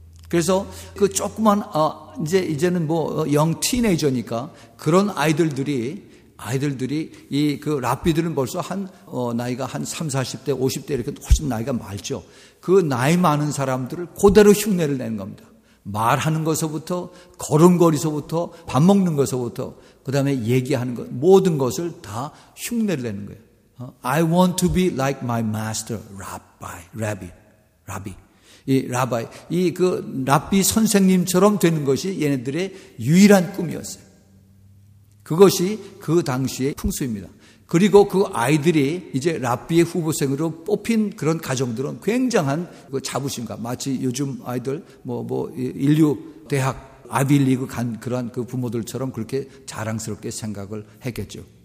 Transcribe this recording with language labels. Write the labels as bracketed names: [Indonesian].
[Korean] 그래서 그 조그만 이제는 뭐 영 티네이저니까 그런 아이들이 이 그 랍비들은 벌써 한 나이가 한 30, 40대, 50대 이렇게 훨씬 나이가 많죠. 그 나이 많은 사람들을 그대로 흉내를 내는 겁니다. 말하는 것서부터 걸음걸이서부터 밥 먹는 것서부터 그다음에 얘기하는 것 모든 것을 다 흉내를 내는 거예요. [English] I want to be like my master, Rabbi. [Korean] 이 라바이, 이 그 랍비 선생님처럼 되는 것이 얘네들의 유일한 꿈이었어요. 그것이 그 당시의 풍수입니다. 그리고 그 아이들이 이제 랍비의 후보생으로 뽑힌 그런 가정들은 굉장한 그 자부심과 마치 요즘 아이들 뭐 인류 대학 아비리그 간 그런 그 부모들처럼 그렇게 자랑스럽게 생각을 했겠죠.